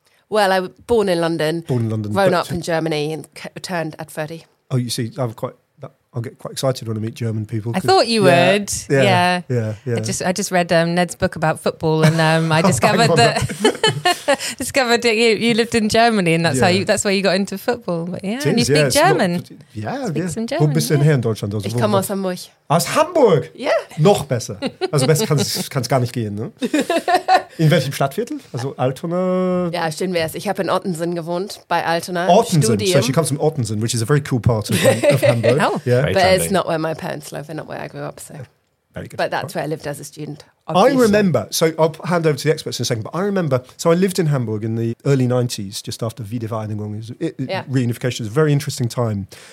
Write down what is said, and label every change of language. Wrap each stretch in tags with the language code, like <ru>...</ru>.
<en>Well, I was born in London. Born in London. Grown up in Germany and returned at 30. Oh, you see, I'll get quite excited when I meet German people. I thought you would. Yeah. I just read Ned's book about football and I discovered that. discovered that you lived in Germany, and that's that's where you got into football. But yeah, and you speak German.</en> <de>Du bist hier in Deutschland. Also, ich komme aus Hamburg. Aus Hamburg? Ja. Noch besser. Also besser kann es gar nicht gehen. Ne? In welchem Stadtviertel? Also Altona? Ja, stimmt, wär's. Ich habe in Ottensen gewohnt, bei Altona. Ottensen?</de> <en>So she comes from Ottensen, which is a very cool part of Hamburg. No. Yeah. But it's not where my parents live and not where I grew up, so... But that's where I lived as a student. Obviously. I remember, so I'll hand over to the experts in a second, but I remember, so I lived in Hamburg in the early 90s, just after Wiedervereinigung, reunification. It was a very interesting time.</en>